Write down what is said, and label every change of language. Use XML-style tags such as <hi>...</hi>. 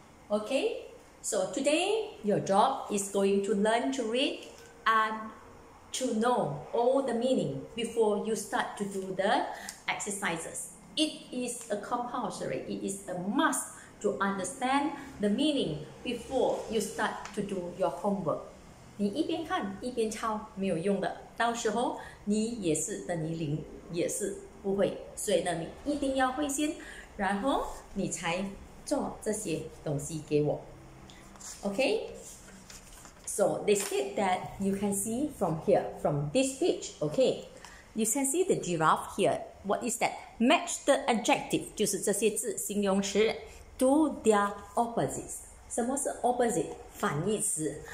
<en>Okay, so today your job is going to learn to read and to know all the meaning before you start to do the exercises. It is a compulsory, it is a must to understand the meaning before you start to do your homework.</en> <zh>你一边看一边抄没有用的，到时候你也是等于零，也是不会，所以呢，你一定要会先，然后你才做这些东西给我。</zh> <en>Okay, so they said that you can see from here, from this page. Okay, you can see the giraffe here. What is that? Match the adjective,</en> <zh>就是这些字形容词</zh> <en>to their opposites.</en> <zh>什么是 opposite? 反义词。</zh>